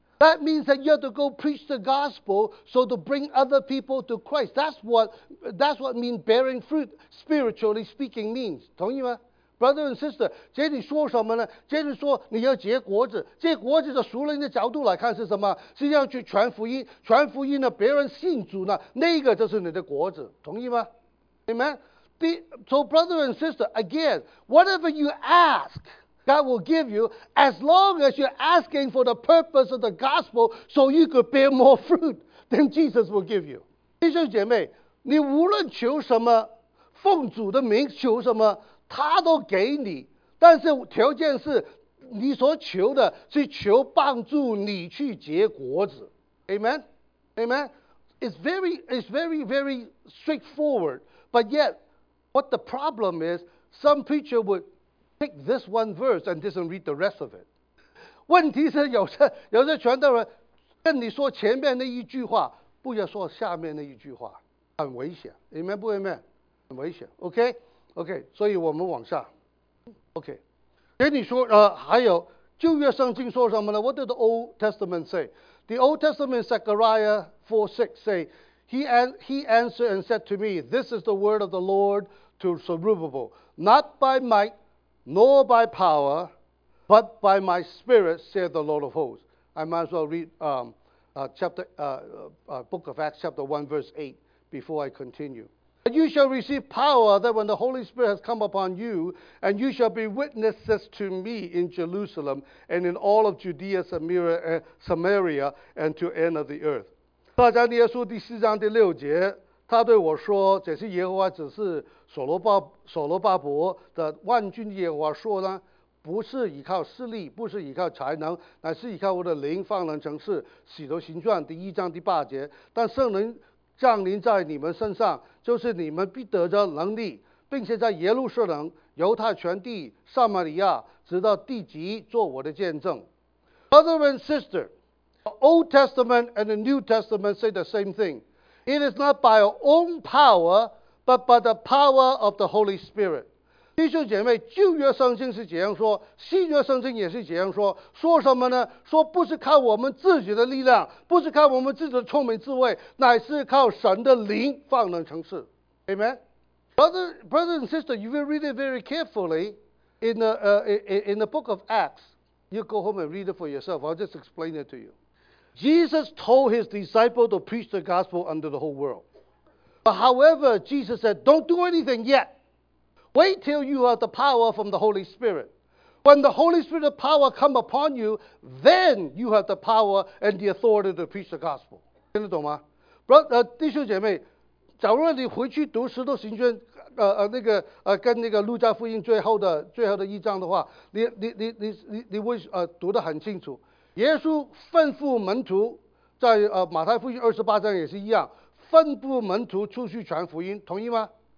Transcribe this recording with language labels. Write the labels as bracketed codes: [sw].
[en] That means that you have to go preach the gospel so to bring other people to Christ. That's what means bearing fruit, spiritually speaking means. [zh] 同意吗 ? [en] Brother and sister, [zh] 这里说什么呢？这里说你要结果子，结果子的属灵的角度来看是什么？是要去传福音，传福音的别人信主呢，那个就是你的果子。同意吗 ?Amen? [en] So brother and sister, again, whatever you ask,God will give you as long as you're asking for the purpose of the gospel so you could bear more fruit than Jesus will give you. [zh] 弟兄姐妹，你无论求什么，奉主的名求什么，他都给你，但是条件是你所求的是求帮助你去结果子。 [en] Amen? Amen? It's very, very straightforward. But yet, what the problem is, some preacher would take this one verse and doesn't read the rest of it. [zh] 问题是有些传道人跟你说前面那一句话，不要说下面那一句话，很危险。 Amen? 不 Amen? 很危险。OK? OK, 所以我们往下。 OK,给你说，还有旧约圣经说什么呢？ [en] What did the Old Testament say? The Old Testament, Zechariah 4:6 say, he answered and said to me, this is the word of the Lord to Zerubbabel, not by might nor by power, but by my spirit, said the Lord of hosts. I might as well read Book of Acts chapter 1 verse 8 before I continue. And you shall receive power that when the Holy Spirit has come upon you, and you shall be witnesses to me in Jerusalem, and in all of Judea, Samaria, and to end of the earth. [zh] 撒迦利亚书第四章第六节，他对我说，这是耶和华指示所罗巴伯的万军耶和华说呢，不是依靠势力，不是依靠才能，乃是依靠我的灵，放人成事。使徒行传第一章第八节，但圣灵降临在你们身上，就是你们必得着能力，并且在耶路撒冷、犹太全地、撒玛利亚，直到地极，做我的见证。 [en] Brother and sister, the Old Testament and the New Testament say the same thing. It is not by our own power, but by the power of the Holy Spirit. [zh] 弟兄姐妹，旧约圣经是这样说，新约圣经也是这样说。说什么呢？说不是靠我们自己的力量，不是靠我们自己的聪明智慧，乃是靠神的灵方能成事。 [en] Amen. Brother and sister, if you read it very carefully in the book of Acts, you go home and read it for yourself. I'll just explain it to you. Jesus told his disciples to preach the gospel unto the whole world. But however, Jesus said, "Don't do anything yet." Wait till you have the power from the Holy Spirit. When the Holy Spirit of power come upon you, then you have the power and the authority to preach the gospel. [zh] 听得懂吗？弟兄姐妹，假如你回去读《使徒行传》跟那个《路加福音》最后的一章的话，你会读得很清楚。耶稣吩咐门徒，在《马太福音》28章也是一样，吩咐门徒出去传福音，同意吗？